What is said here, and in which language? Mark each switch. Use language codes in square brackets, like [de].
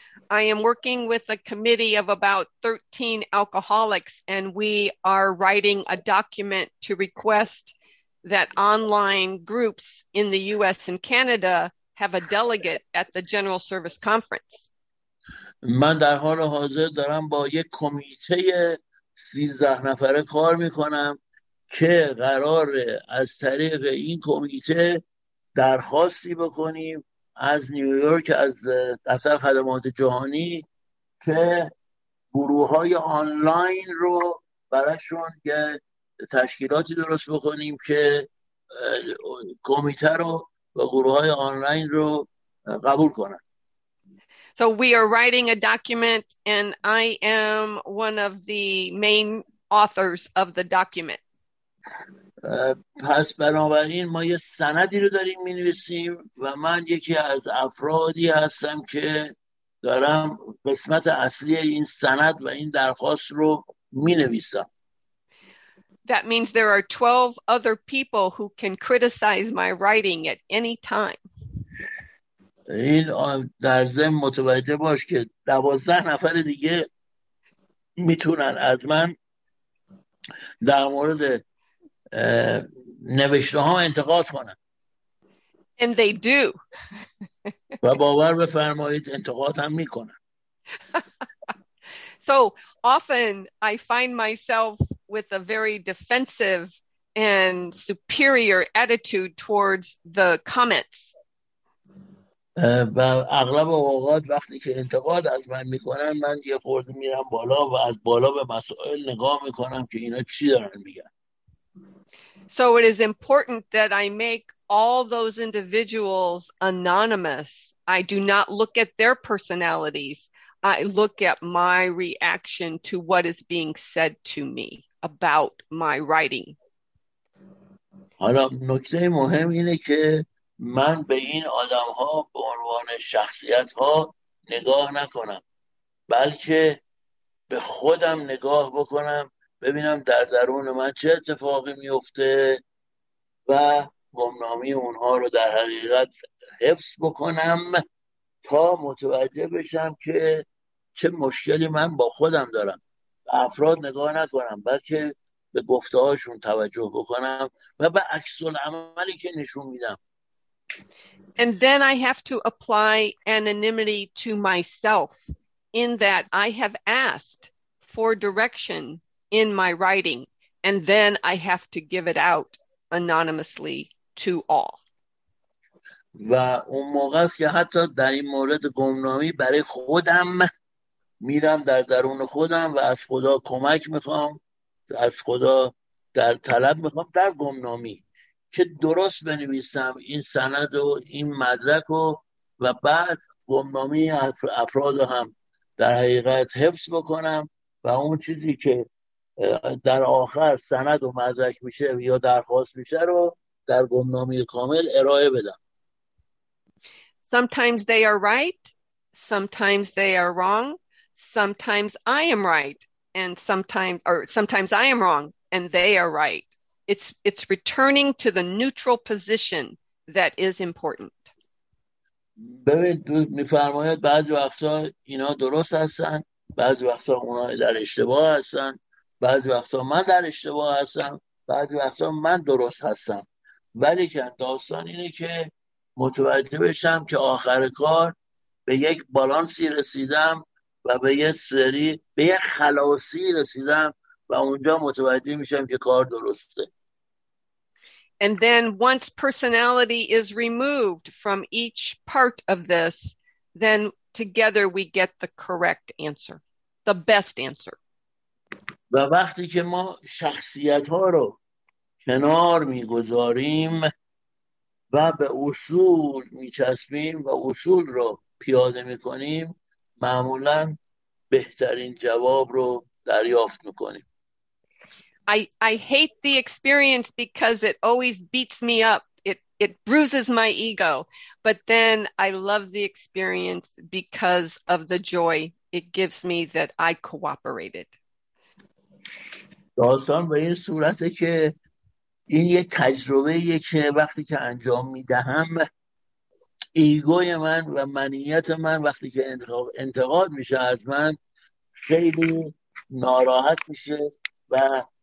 [en] I am working with a committee of about 13 alcoholics and we are writing a document to request that online groups in the US and Canada have a delegate at the General Service Conference. [fa] من در حال حاضر دارم با یک کمیته 13 نفره کار میکنم که قرار از طریق این کمیته درخواستی بکنیم از نیویورک از دفتر خدمات جهانی که گروه های آنلاین رو براشون یه تشکیلاتی درست بکنیم که کمیته رو و گروه های آنلاین رو قبول کنن. [en] So we are writing a document and I am one of the main authors of the document. [fa] پس بنابراین ما یه سندی رو داریم می نویسیم و من یکی از افرادی هستم که دارم قسمت اصلی این سند و این درخواست رو می نویسم. [en] That means there are 12 other people who can criticize my writing at any time. [fa] این در ذهن متوجه باش که 12 نفر دیگه می تونن از من در مورد نوشته ها انتقاد کنن. [en] And they do. [fa] و باور بفرمایید انتقاد هم میکنن. [en] So often I find myself with a very defensive and superior attitude towards the comments. [fa] و اغلب اوقات وقتی که انتقاد از من میکنن، من یه خورده میرم بالا و از بالا به مسائل نگاه میکنم که اینا چی دارن میگن. [en] So it is important that I make all those individuals anonymous. I do not look at their personalities. I look at my reaction to what is being said to me about my writing. [fa] حالا نکته مهم اینه که من به این آدم ها به عنوان شخصیت ها نگاه نکنم، بلکه به خودم نگاه بکنم، ببینم در درون من چه اتفاقی میفته و گمنامی اونها رو در حقیقت حفظ بکنم تا متوجه بشم که چه مشکلی من با خودم دارم. به افراد نگاه نکنم، بلکه به گفته هاشون توجه بکنم و به عکس العملی که نشون میدم. [en] And then I have to apply anonymity to myself in that I have asked for direction in my writing, and then I have to give it out anonymously to all. [fa] و اون موقع است که حتی در این مورد گمنامی برای خودم میرم در درون خودم و از خدا کمک میخوام، از خدا در طلب میخوام در گمنامی که درست بنویسم این سند و این مدرک رو و بعد گمنامی افراد هم در حقیقت حفظ بکنم و اون چیزی که در آخر سند و مدرک میشه یا درخواست میشه رو در گمنامی کامل ارائه بدم. [en] Sometimes they are right, sometimes they are wrong, sometimes I am right and sometimes I am wrong and they are right. It's returning to the neutral position that is important. [fa] ببینید میفرماید بعضی وقتا اینا درست هستن، بعضی وقتا اونا در اشتباه هستن، بعضی وقتا من در اشتباه هستم، بعضی وقتا من درست هستم. ولی که داستان اینه که متوجه بشم که آخر کار به یک بالانسی رسیدم و به یه سری به یه خلاصی رسیدم و اونجا متوجه میشم که کار درسته. [en] And then once personality is removed from each part of this, then together we get the correct answer, the best answer. [fa] و وقتی که ما شخصیت ها رو کنار میگذاریم و به اصول میچسبیم و اصول رو پیاده میکنیم، معمولا بهترین جواب رو دریافت میکنیم. [en] I hate the experience because it always beats me up. It bruises my ego. But then I love the experience because of the joy it gives me that I cooperated. [fa] داستان به این صورته که این یه تجربه‌ایه که وقتی که انجام میدهم ایگوی من و منیت من وقتی که انتقاد میشه از من خیلی ناراحت میشه و